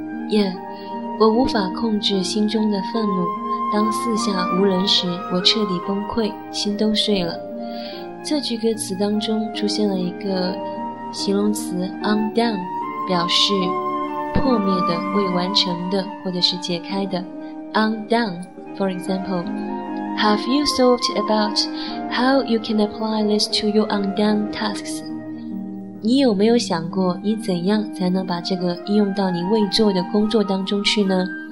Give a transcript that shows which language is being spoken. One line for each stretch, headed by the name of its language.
Chinese: Yeah, 我无法控制心中的愤怒，当四下无人时我彻底崩溃，心都碎了。这句歌词当中出现了一个形容词 undone, 表示破灭的、未完成的或者是解开的。
English: undone, for example,Have you thought about how you can apply this to your undone tasks?
Chinese: 你有没有想过你怎样才能把这个应用到你未做的工作当中去呢？